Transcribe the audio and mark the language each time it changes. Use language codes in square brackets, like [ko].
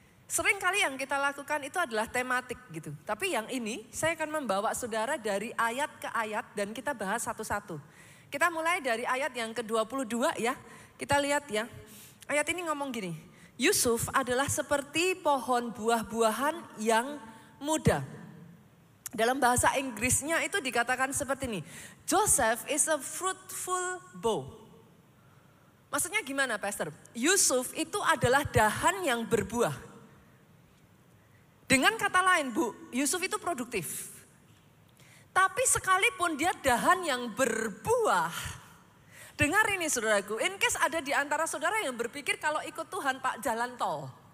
[id] Sering kali yang kita lakukan itu adalah tematik gitu. Tapi yang ini saya akan membawa saudara dari ayat ke ayat dan kita bahas satu-satu. Kita mulai dari ayat yang ke-22 ya. Kita lihat ya. Ayat ini ngomong gini. Yusuf adalah seperti pohon buah-buahan yang muda. Dalam bahasa Inggrisnya itu dikatakan seperti ini. [en] Joseph is a fruitful bough. [id] Maksudnya gimana Pastor? Yusuf itu adalah dahan yang berbuah. Dengan kata lain Bu, Yusuf itu produktif. Tapi sekalipun dia dahan yang berbuah. Dengar ini saudaraku, [en] in case [id] ada di antara saudara yang berpikir kalau ikut Tuhan Pak jalan tol.